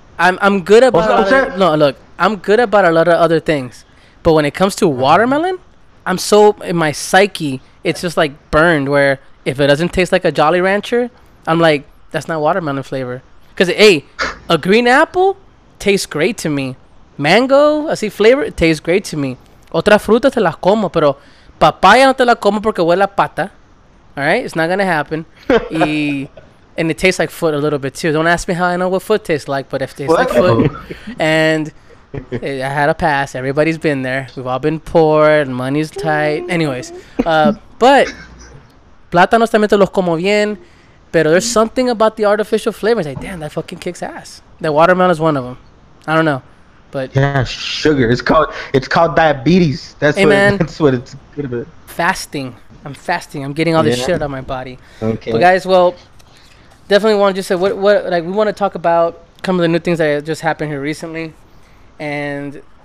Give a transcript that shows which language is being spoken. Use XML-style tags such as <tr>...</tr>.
<en>I'm good about I'm good about a lot of other things. But when it comes to watermelon, I'm so in my psyche, it's just like burned where if it doesn't taste like a Jolly Rancher, I'm like, that's not watermelon flavor. Because, hey, a green apple tastes great to me. Mango, así flavor, it tastes great to me.</en> <es>Otra fruta te la como, pero papaya no te la como porque huele a pata.</es> <en>All right? It's not going to happen. And it tastes like foot a little bit too. Don't ask me how I know what foot tastes like, but if it tastes like foot. And... I had a pass. Everybody's been there. We've all been poor and money's tight. Anyways, but</en> <es>plátanos también te los como bien.</es> <en>Pero there's something about the artificial flavors. Like, damn, that fucking kicks ass. The watermelon is one of them. I don't know, but yeah, sugar. It's called diabetes. That's good about. Fasting. I'm fasting. I'm getting all this shit out of my body. Okay. But guys, well, definitely want to just say what like we want to talk about some of the new things that just happened here recently. And</en>